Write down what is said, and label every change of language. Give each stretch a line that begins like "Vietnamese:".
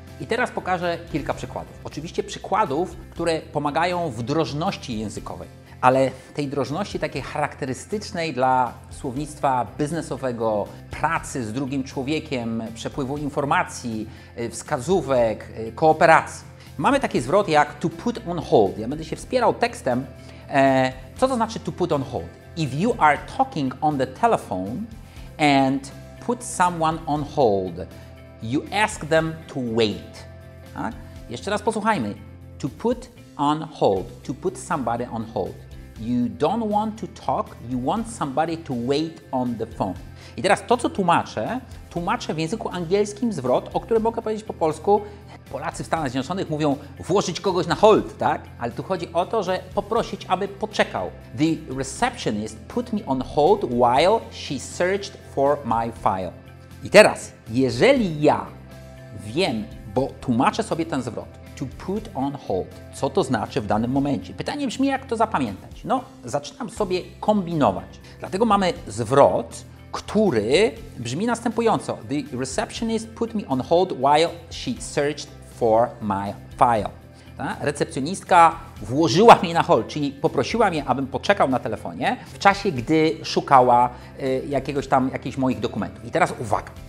Polish: I teraz pokażę kilka przykładów. Oczywiście przykładów, które pomagają w drożności językowej, ale tej drożności takiej charakterystycznej dla słownictwa biznesowego, pracy z drugim człowiekiem, przepływu informacji, wskazówek, kooperacji. Mamy taki zwrot jak
English: to put on hold.
Polish: Ja będę się wspierał tekstem. Co to znaczy
English: to put on hold? If you are talking on the telephone and put someone on hold, you ask them to wait.
Polish: Tak? Jeszcze raz posłuchajmy.
English: To put on hold, to put somebody on hold. You don't want to talk, you want somebody to wait on the phone.
Polish: I teraz to, co tłumaczę, tłumaczę w języku angielskim zwrot, o którym mogę powiedzieć po polsku. Polacy w Stanach Zjednoczonych mówią włożyć kogoś na hold, tak? Ale tu chodzi o to, że poprosić, aby poczekał.
English: The receptionist put me on hold while she searched for my file.
Polish: I teraz, jeżeli ja wiem, bo tłumaczę sobie ten zwrot,
English: to put on hold.
Polish: Co to znaczy w danym momencie? Pytanie brzmi, jak to zapamiętać? No, zaczynam sobie kombinować. Dlatego mamy zwrot, który brzmi następująco.
English: The receptionist put me on hold while she searched for my file.
Polish: Ta? Recepcjonistka włożyła mnie na hold, czyli poprosiła mnie, abym poczekał na telefonie w czasie, gdy szukała jakiegoś tam, jakichś moich dokumentów. I teraz uwaga.